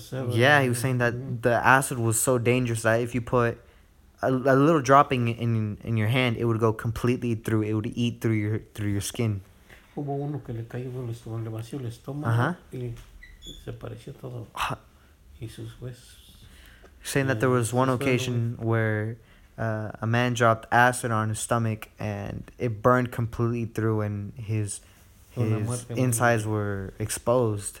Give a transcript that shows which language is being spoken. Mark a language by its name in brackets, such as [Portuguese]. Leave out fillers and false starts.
[English] Yeah, he was saying that the acid was so dangerous that if you put a little dropping in your hand, it would go completely through. It would eat through your skin. [Spanish] Hubo uno que le cayó en el estómago, le vació el estómago y se apareció todo y sus huesos. [English] Saying that there was one occasion where a man dropped acid on his stomach and it burned completely through, and his insides were exposed.